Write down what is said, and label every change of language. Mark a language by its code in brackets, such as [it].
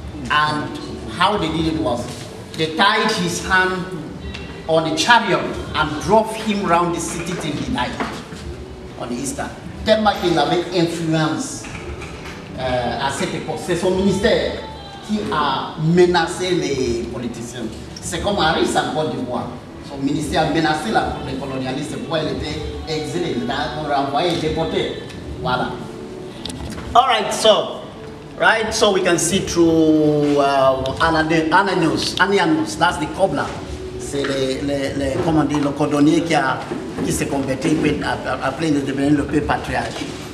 [en] And how they did it was, they tied his hand on the chariot and drove him around the city till he died on Easter. [fr] Tellement qu'il avait influence à cette époque. C'est son ministère qui a menacé les politiciens. C'est comme Harry Sankor du Bois. Son ministère a menacé les colonialistes pour qu'elle était exilée, renvoyée, déportée. [en] Voilà. Alright, so. Right, so we can see through Ananias, that's the cobbler. [fr] C'est le comment dire, le cordonnier qui s'est converti, après il est devenu le père patriarche.